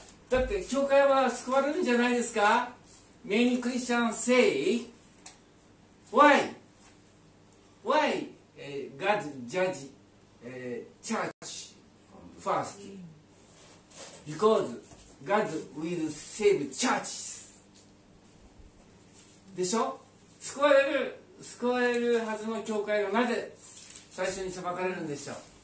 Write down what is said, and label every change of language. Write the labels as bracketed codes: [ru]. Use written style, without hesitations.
[ja] だって教会は救われるんじゃないですか。 [en] Many Christians say Why? God judge church first because God will save churches [ja] でしょ。救われるはずの教会がなぜ最初に裁かれるんでしょう。